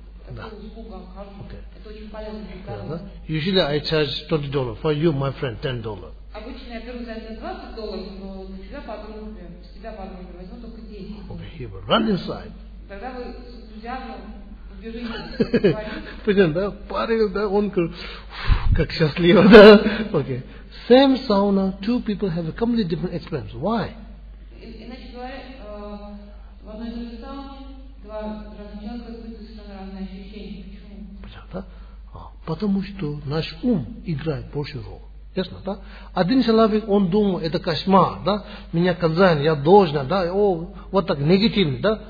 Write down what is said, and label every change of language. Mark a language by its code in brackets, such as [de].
[en] Да. Okay. Usually I charge $20 for you, my friend, $10. [ru] Обычно я беру за это $20, но для тебя подруга, для тебя подруга возьму только 10. [en] Okay, he will run inside. [ru] Тогда вы с энтузиазмом убежите. Понятно, да? Парень, да? Он как счастливо, да? Okay. [en] Same sauna, two people have a completely different experience. Why? [ru] Иначе говоря, в одной же сауне два разных человека. Да? Потому что наш ум играет большую роль. Ясно, да? Один человек, он думает, это кошмар, да? Меня казнят, я должен, да? О, вот так, негативный, да?